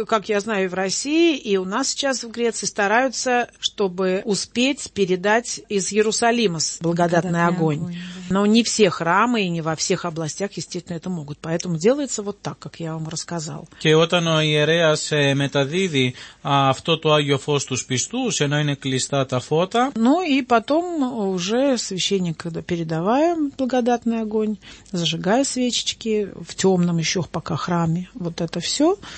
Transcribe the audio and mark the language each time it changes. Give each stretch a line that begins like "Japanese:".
Russian: Как я знаю, в России и у нас сейчас в Греции стараются, чтобы успеть передать из Иерусалима благодатный огонь. Но не все храмы и не во всех областях, естественно, это могут. Поэтому делается вот так, как я вам рассказал.
Greek: Και όταν ο ιερέας μεταδίδει αυτό το Άγιο Φως στους πιστούς, ενώ είναι κλειστά τα φώτα.
Russian: Ну и потом уже священник, когда передаваем благодатный огонь, зажигая свечечки в темном еще пока храме, вот это все.